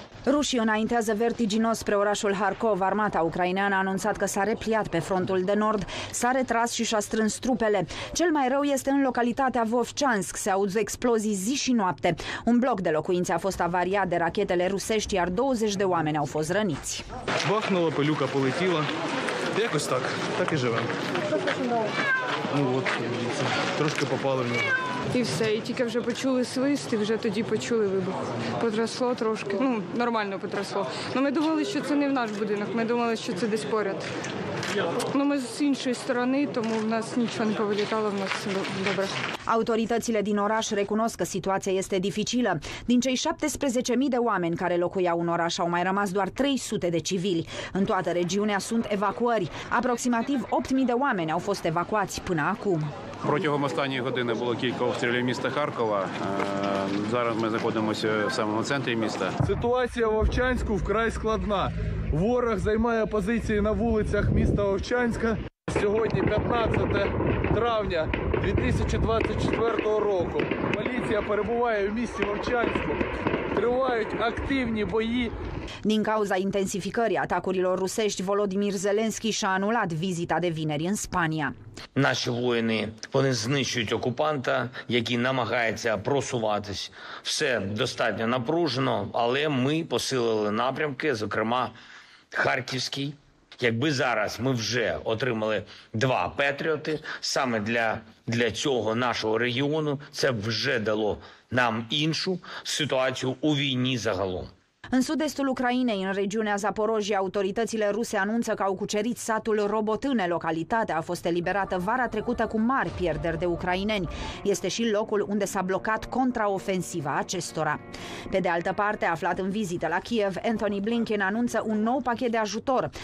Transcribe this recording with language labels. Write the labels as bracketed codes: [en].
[ro] Rușii înaintează vertiginos spre orașul Harkov. Armata ucraineană a anunțat că s-a repliat pe frontul de nord, s-a retras și și-a strâns trupele. Cel mai rău este în localitatea Vovchansk. Se auz explozii zi și noapte. Un bloc de locuințe a fost avariat de rachetele rusești, iar 20 de oameni au fost răniți. [uk] Бахнуло, пилюка полетіла. Якось так. Так і живем. Ну от, трошки попало в нього. І все, і тільки вже почули свист, і вже тоді почули вибух. Потрясло трошки. Ну, нормально потрясло. Ну, ми думали, що це не в наш будинок, ми думали, що це десь поряд. Ну, ми з іншої сторони, тому в нас нічого не повилітало, в нас все добре. [ro] Autoritățile din oraș recunosc că situația este dificilă. Din cei 17.000 de oameni care locuiau în oraș, au mai rămas doar 300 de civili. În toată regiunea sunt evacuări. Aproximativ 8.000 de oameni au fost evacuați până acum. [uk] Протягом останньої години було кілька обстрілів міста Харкова. Зараз ми знаходимося в самому центрі міста. Ситуація в Вовчанську вкрай складна. Ворог займає позиції на вулицях міста Вовчанська. Сьогодні 15 травня 2024 року. Поліція перебуває в місті Вовчанську. Тривають активні бої. [ro] Din cauza intensificării atacurilor rusești, Volodymyr Zelensky și-a anulat vizita de vineri în Spania. [uk] Наші воїни, вони знищують окупанта, який намагається просуватись. Все достатньо напружено, але ми посилили напрямки, зокрема Харківський. Якби зараз ми вже отримали два Петріоти, саме для цього нашого регіону, це вже дало нам іншу ситуацію у війні загалом. [ro] În sud-estul Ucrainei, în regiunea Zaporojia, autoritățile ruse anunță că au cucerit satul Robotyne. Localitatea a fost eliberată vara trecută cu mari pierderi de ucraineni. Este și locul unde s-a blocat contraofensiva acestora. Pe de altă parte, aflat în vizită la Kiev, Anthony Blinken anunță un nou pachet de ajutor.